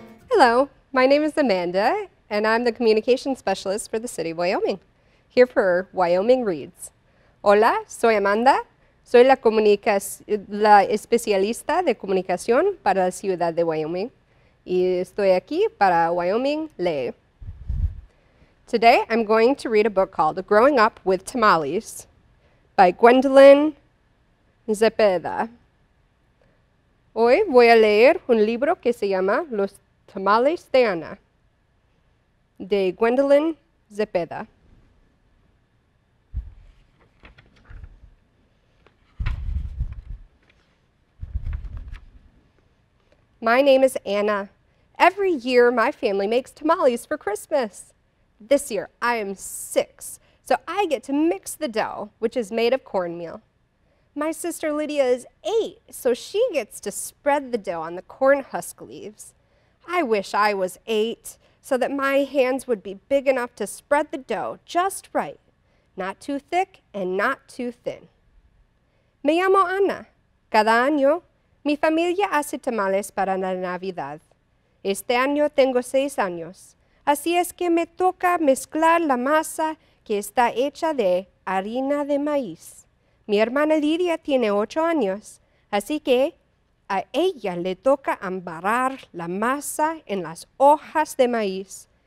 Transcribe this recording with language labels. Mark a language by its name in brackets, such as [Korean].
[English] Hello, my name is Amanda, and I'm the communication specialist for the City of Wyoming, here for Wyoming Reads. [Spanish] Hola, soy Amanda. Soy la, la especialista de comunicación para la ciudad de Wyoming. Y estoy aquí para Wyoming Lee. [English] Today, I'm going to read a book called Growing Up with Tamales by Gwendolyn Zepeda. [Spanish] Hoy voy a leer un libro que se llama Los Tamales de Ana, de Gwendolyn Zepeda. [English] My name is Anna. Every year, my family makes tamales for Christmas. This year, I am 6, so I get to mix the dough, which is made of cornmeal. My sister Lydia is 8, so she gets to spread the dough on the corn husk leaves. I wish I was 8, so that my hands would be big enough to spread the dough just right, not too thick and not too thin. [Spanish] Me llamo Anna. Cada año, mi familia hace tamales para la Navidad. Este año tengo 6 años. Así es que me toca mezclar la masa que está hecha de harina de maíz. Mi hermana Lidia tiene 8 años, así que a ella le toca embarrar la masa en las hojas de maíz.